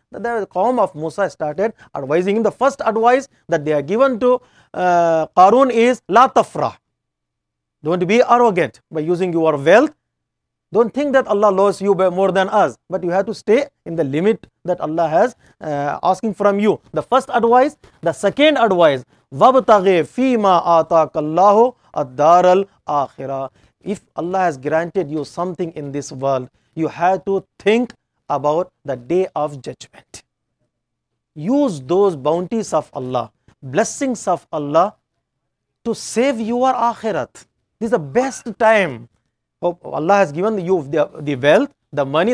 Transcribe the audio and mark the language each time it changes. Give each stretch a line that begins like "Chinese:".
English: The qawm of Musa started advising him. The first advice that they are given to Qarun is La tafrah. Don't be arrogant by using your wealth. Don't think that Allah loves you more than us, but you have to stay in the limit that Allah has asking from you. The first advice, the second advice,
Arabic: وَبْتَغِ فِي مَا آتَاكَ اللَّهُ الدَّارَ الْآخِرَةِ.
English: If Allah has granted you something in this world, you have to think about the day of judgment. Use those bounties of Allah, blessings of Allah to save your akhirat. This is the best time. Oh, Allah has given you the wealth, the money.